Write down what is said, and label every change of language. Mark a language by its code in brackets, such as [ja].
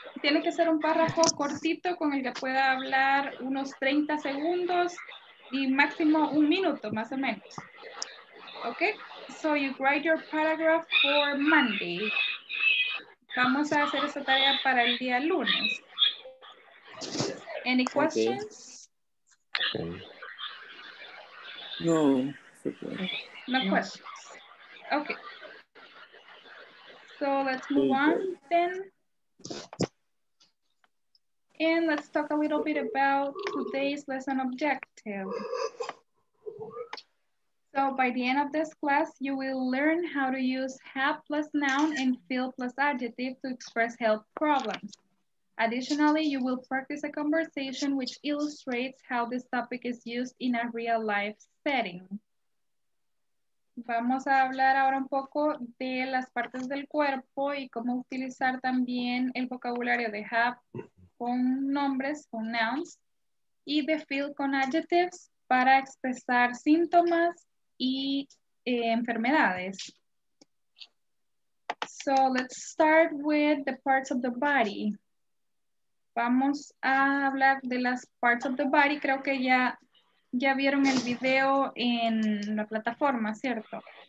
[es] Tiene que ser un párrafo cortito con el que pueda hablar unos 30 segundos y máximo un minuto, más o menos. [en] Okay, so you write your paragraph for Monday. [es] Vamos a hacer esa tarea para el día lunes. [en] Any questions? Okay. Okay. No. No questions. Okay. So let's move on then. And let's talk a little bit about today's lesson objective. So by the end of this class, you will learn how to use have plus noun and feel plus adjective to express health problems. Additionally, you will practice a conversation which illustrates how this topic is used in a real life setting. [es] Vamos a hablar ahora un poco de las partes del cuerpo y cómo utilizar también el vocabulario de have con nombres, con nouns, y de feel con adjectives para expresar síntomas y enfermedades. [en] So let's start with the parts of the body. [es] Vamos a hablar de las [en] parts of the body. [es] Creo que ya vieron el video en la plataforma, ¿cierto?